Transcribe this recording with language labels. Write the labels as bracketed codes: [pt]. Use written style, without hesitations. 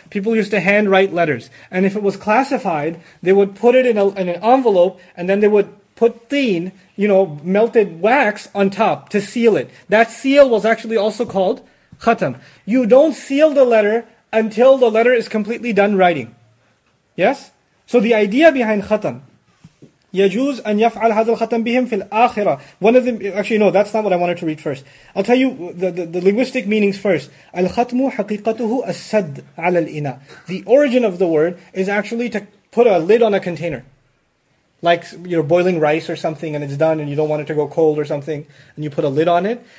[en] People used to hand write letters. And if it was classified, they would put it in an envelope and then they would put teen, you know, melted wax on top to seal it. That seal was actually also called khatam. You don't seal the letter until the letter is completely done writing. Yes? So the idea behind khatam, [ar] يَجُوزْ أَنْ يَفْعَلْ هَذَا الْخَتَمْ بِهِمْ فِي الْآخِرَةِ. [en] One of them, actually no, that's not what I wanted to read first. I'll tell you the linguistic meanings first. [ar] الْخَتْمُ حَقِيقَتُهُ السَّدْ عَلَى الْإِنَى. [en] The origin of the word is actually to put a lid on a container. Like you're boiling rice or something and it's done and you don't want it to go cold or something and you put a lid on it.